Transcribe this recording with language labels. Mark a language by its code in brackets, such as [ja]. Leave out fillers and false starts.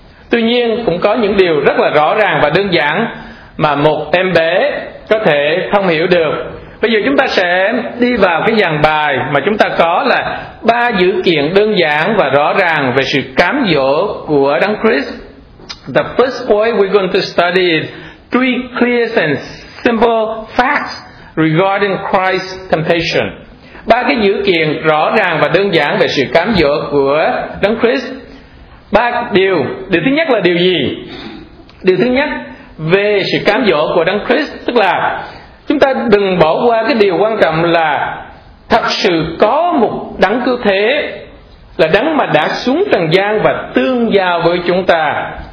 [vi] Tuy nhiên cũng có những điều rất là rõ ràng và đơn giản mà một em bé có thể thông hiểu được. Bây giờ chúng ta sẽ đi vào cái dàn bài mà chúng ta có là ba dữ kiện đơn giản và rõ ràng về sự cám dỗ của Đấng Christ. [en] The first point we're going to study is three clear and simple facts regarding Christ's temptation. [vi] Ba cái dữ kiện rõ ràng và đơn giản về sự cám dỗ của Đấng Christ. Ba điều. Điều thứ nhất là điều gì? Điều thứ nhất về sự cám dỗ của Đấng Christ, tức là chúng ta đừng bỏ qua cái điều quan trọng là thật sự có một đấng cứu thế, là đấng mà đã xuống trần gian và tương giao với chúng ta.